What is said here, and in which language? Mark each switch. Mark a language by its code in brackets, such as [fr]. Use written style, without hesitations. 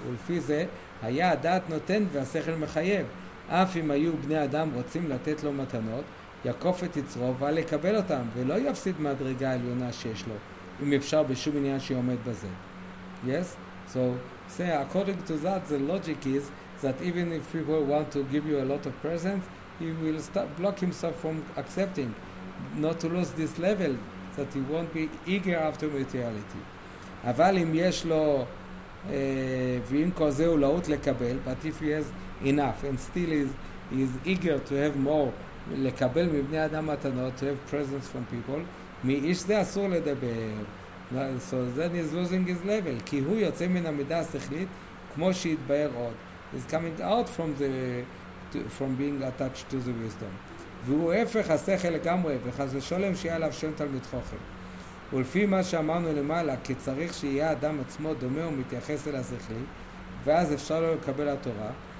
[he] ולפי זה, היה הדעת נותן והשכל מחייב. אף אם היו בני אדם רוצים לתת לו מתנות, יקוף את יצרו ולקבל אותם, ולא יפסיד מדרגה עליונה שיש לו. אם אפשר בשום עניין שעומד בזה. [en] Yes? So, say, according to that, the logic is that even if people want to give you a lot of presents, he will start block himself from accepting, not to lose this level, that he won't be eager after materiality. [he] אבל אם יש לו, ואם כל זה הוא לאות לקבל, [en] but if he has enough and still is eager to have more, [he] לקבל מבני אדם מתנות, [en] to have presents from people, [he] מאיש זה אסור לדבר. [en] So then he's losing his level, [he] כי הוא יוצא מן המידה השכלית, כמו שהתבהר עוד. [en] He's coming out from the from being attached to the wisdom. [he] והוא הפך השכל לגמרי, וחס ושלום שיהיה עליו שם תלמיד חוכם. ולפי מה שאמרנו למעלה, כי צריך שיהיה אדם עצמו דומה ומתייחס אל השכלי, ואז אפשר לו לקבל התורה.